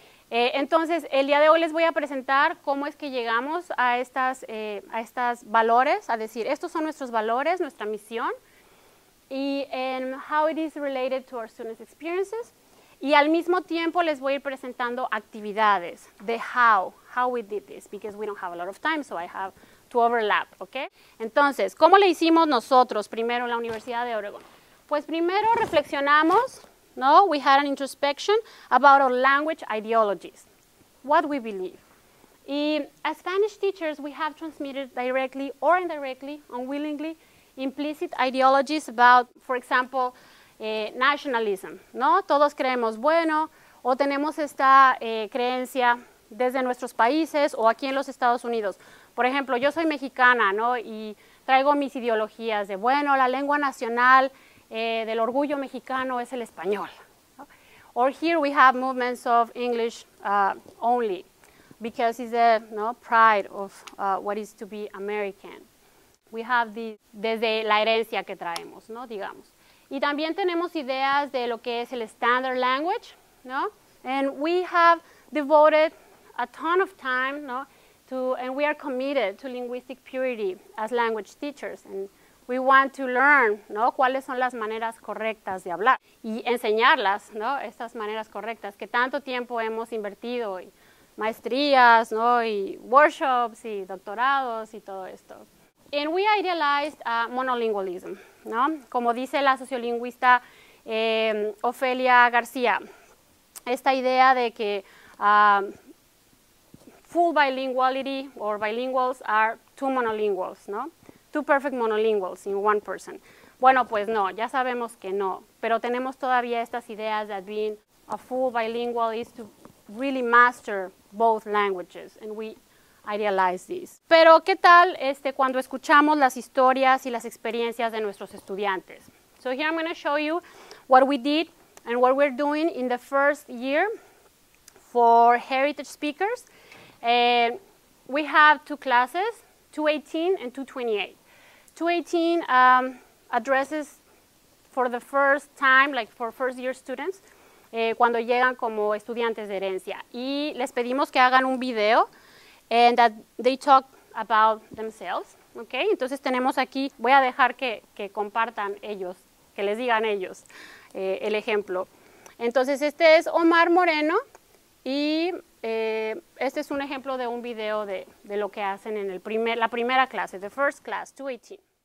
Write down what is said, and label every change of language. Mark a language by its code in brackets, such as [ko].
[es] Entonces, el día de hoy les voy a presentar cómo es que llegamos a estas valores, a decir, estos son nuestros valores, nuestra misión, y [en] and how it is related to our students' experiences. [es] Y al mismo tiempo les voy a ir presentando actividades, [en] the how we did this, because we don't have a lot of time, so I have to overlap, okay? [es] Entonces, ¿cómo le hicimos nosotros primero en la Universidad de Oregon? Pues primero reflexionamos, ¿no? [en] We had an introspection about our language ideologies, what we believe. Y as Spanish teachers, we have transmitted directly or indirectly, unwillingly, implicit ideologies about, for example, nationalism, ¿no? [es] Todos creemos bueno, o tenemos esta creencia desde nuestros países o aquí en los Estados Unidos. Por ejemplo, yo soy mexicana, ¿no? Y traigo mis ideologías de, bueno, la lengua nacional del orgullo mexicano es el español, ¿no? [en] Or here we have movements of English only, because it's the, ¿no? pride of what is to be American. We have the, [es] desde la herencia que traemos, ¿no? Digamos. Y también tenemos ideas de lo que es el standard language, ¿no? [en] And we have devoted a ton of time, ¿no? And we are committed to linguistic purity as language teachers. And we want to learn, ¿no? [es] Cuáles son las maneras correctas de hablar y enseñarlas, ¿no? Estas maneras correctas que tanto tiempo hemos invertido y maestrías, ¿no? Y workshops y doctorados y todo esto. [en] And we idealized monolingualism, ¿no? [es] Como dice la sociolingüista Ofelia García, esta idea de que [en] full bilinguality or bilinguals are two monolinguals, ¿no? Two perfect monolinguals in one person. [es] Bueno, pues no, ya sabemos que no, pero tenemos todavía estas ideas [en] that being a full bilingual is to really master both languages, and we idealize this. [es] Pero, ¿qué tal cuando escuchamos las historias y las experiencias de nuestros estudiantes? [en] So here I'm going to show you what we did and what we're doing in the first year for heritage speakers. And we have two classes, 218 and 228. 218 addresses for the first time, like for first year students, [es] cuando llegan como estudiantes de herencia. Y les pedimos que hagan un video [en] and that they talk about themselves, okay? [es] Entonces tenemos aquí, voy a dejar que compartan ellos, que les digan ellos el ejemplo. Entonces este es Omar Moreno y este es un ejemplo de un video de lo que hacen en el la primera clase, [en] the first class, [es] 218.